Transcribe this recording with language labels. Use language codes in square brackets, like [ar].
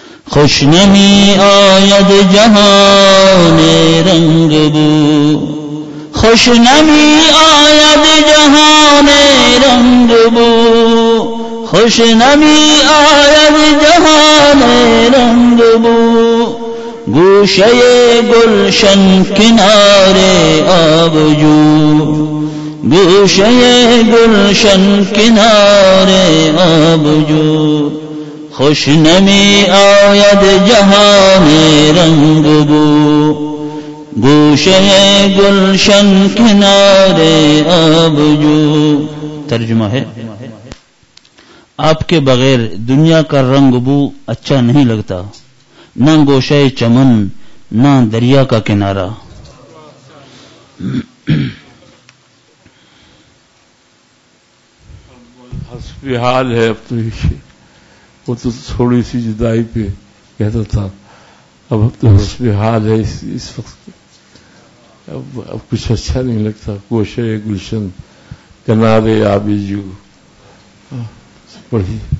[fa] خوش نمی آید جہان رنگ بو، خوش نمی آید جہان رنگ بو، خوش نمی آید جہان رنگ بو. گوشے گلشن کنارے آب جو، گوشے گلشن کنارے آب جو. خوش نمی آید جہان رنگ بو، گوشے گلشن کنارے آب جو. [ur] ترجمہ ہے، آپ کے بغیر دنیا کا رنگ بو اچھا نہیں لگتا، نہ گوشے چمن نہ دریا کا کنارہ. حسبی حال ہے اب تو، وہ تو تھوڑی سی جدائی پہ کہتا تھا، اب تو حسبی حال ہے اس وقت. اب کچھ اچھا نہیں لگتا، [fa] گوشے گلشن کنارے آبی جو [ur] پڑھی.